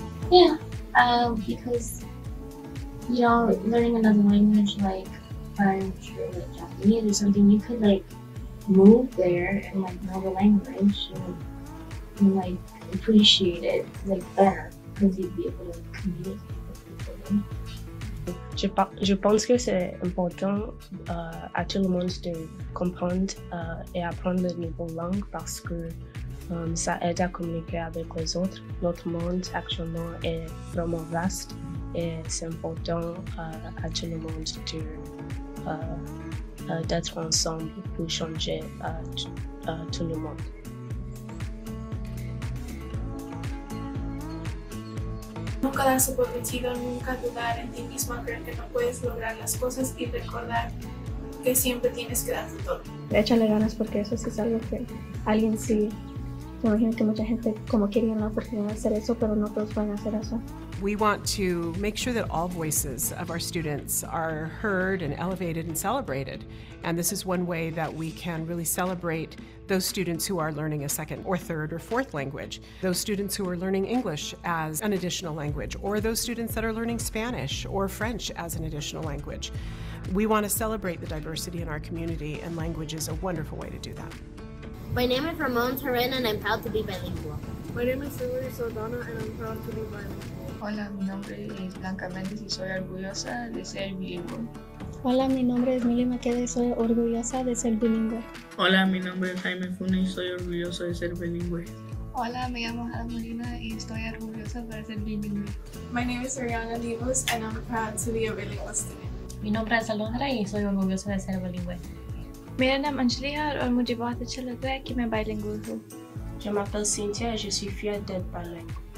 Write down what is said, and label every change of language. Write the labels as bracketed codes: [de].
[en] Yeah, because, you know, learning another language like French or like Japanese or something, you could like move there and like know the language and like appreciate it like better because you'd be able to communicate with people there. [fr] Je pense que c'est important à tout le monde de comprendre et apprendre de nouvelles langues parce que ça aide à communiquer avec les autres. Notre monde actuellement est vraiment vaste et c'est important à tout le monde de, d'être ensemble pour changer tout le monde. [es] Nunca darse por vencido, nunca dudar en ti mismo, creer que no puedes lograr las cosas y recordar que siempre tienes que darte todo. Échale ganas porque eso sí es algo que alguien sí. Me imagino que mucha gente como quería la oportunidad de hacer eso, pero no todos pueden hacer eso. [en] We want to make sure that all voices of our students are heard and elevated and celebrated. And this is one way that we can really celebrate those students who are learning a second or third or fourth language, those students who are learning English as an additional language, or those students that are learning Spanish or French as an additional language. We want to celebrate the diversity in our community, and language is a wonderful way to do that. My name is Ramon Turin, and I'm proud to be bilingual. My name is Hillary Soldana, and I'm proud to be bilingual. [es] Hola, mi nombre es Blanca Méndez y soy orgullosa de ser bilingüe. Hola, mi nombre es Milly Maqueda y soy orgullosa de ser bilingüe. Hola, mi nombre es Jaime Funes y soy orgulloso de ser bilingüe. Hola, me llamo Ana Molina y estoy orgullosa de ser bilingüe. [en] My name is Ariana Divos and I'm proud to be a bilingual student. [es] Mi nombre es Alondra y soy orgullosa de ser bilingüe. Mi nombre es Angelica y me llamo Chalatue, que me bilingüe. Yo me llamo Cynthia y soy fiel del bilingüe.